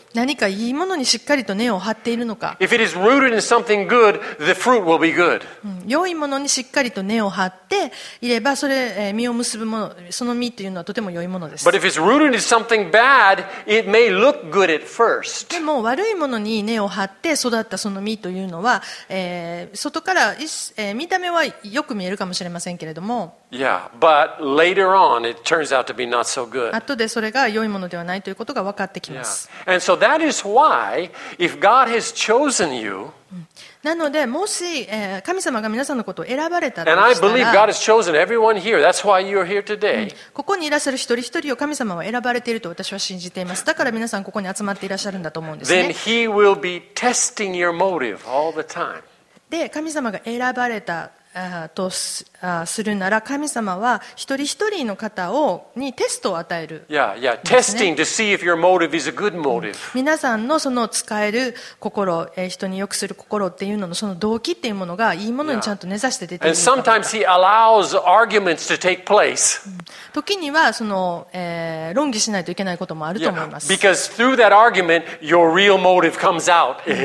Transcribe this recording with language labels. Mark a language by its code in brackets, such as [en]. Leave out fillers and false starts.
[ja] 何かいいものにしっかりと根を張っているのか。 [en] If it is rooted in something good, the fruit will be good. [ja] 良いものにしっかりと根を張っていれば、それ、実を結ぶもの、その実というのはとても良いものです。 [en] But if it's rooted in something bad, it may look good at first. [ja] でも悪いものに根を張って育ったその実というのは、外から、見た目はよく見えるかもしれませんけれども。 [en] Yeah, but later on, it turns out to be not so good. [ja] 後でそれが良いものではないということが分かってきます。 [en] Yeah. And so that is why, if God has chosen you, [ja] なのでもし、神様が皆さんのことを選ばれたとした [en] ら、And I believe God has chosen everyone here. That's why you're here today. [ja] ここにいらっしゃる一人一人を神様は選ばれていると私は信じています。だから皆さんここに集まっていらっしゃるんだと思うんですね。 [en] Then He will be testing your motive all the time. [ja] で、神様が選ばれたとするなら神様は一人一人の方をにテストを与える、ね、 [en] yeah, yeah. Testing to see if your motive is a good motive. [ja] 皆さんのその使える心、人に良くする心っていうののその動機っていうものがいいものにちゃんと根ざして出ている [en] か。And sometimes he allows arguments to take place. [ja] 時にはその、論議しないといけないこともあると思います。 [en] yeah, Because through that argument your real motive comes out.